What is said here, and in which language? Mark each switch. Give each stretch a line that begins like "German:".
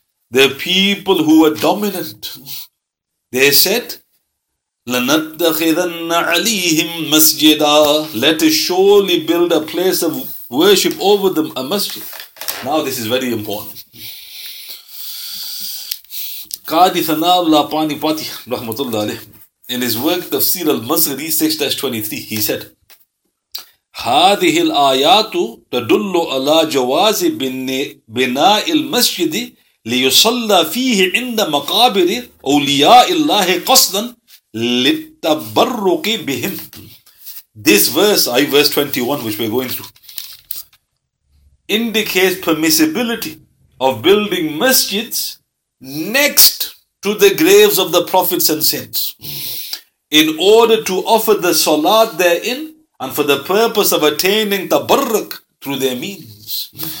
English: The people who were dominant, they said,
Arabic: لَنَتَّخِذَنَّ عَلِيهِمْ مَسْجِدًا.
English: Let us surely build a place of worship over them a masjid. Now this is very important. Qadi Thanaullah Panipati, rahmatullah alayh, in his work Tafsir al-Masri 6-23, he said,
Arabic: هذه الآيات تدل على جواز بناء المسجد ليصلى فيه عند مقابر أولياء الله قصدا للتبرك بهم.
English: This verse, I verse 21, which we're going through, indicates permissibility of building masjids next to the graves of the prophets and saints in order to offer the salat therein and for the purpose of attaining tabarruk through their means.